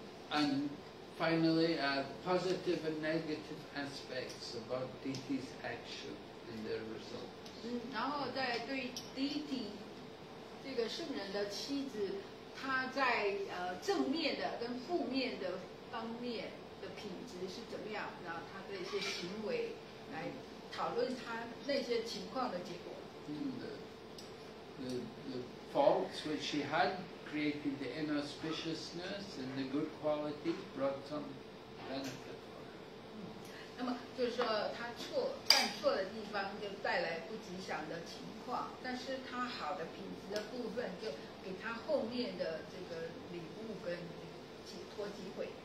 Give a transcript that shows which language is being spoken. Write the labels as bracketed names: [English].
[English] And finally, positive and negative aspects about Diti's action and their result. [Chinese] 然后在对弟弟这个圣人的妻子，他在正面的跟负面的方面的品质是怎么样，然后他的一些行为来讨论他那些情况的结果。 [English] The faults which she had created, the inauspiciousness and the good qualities brought some benefit. [Chinese] 那么就是说他错犯错的地方就带来不吉祥的情况，但是他好的品质的部分就给他后面的这个礼物跟解脱机会。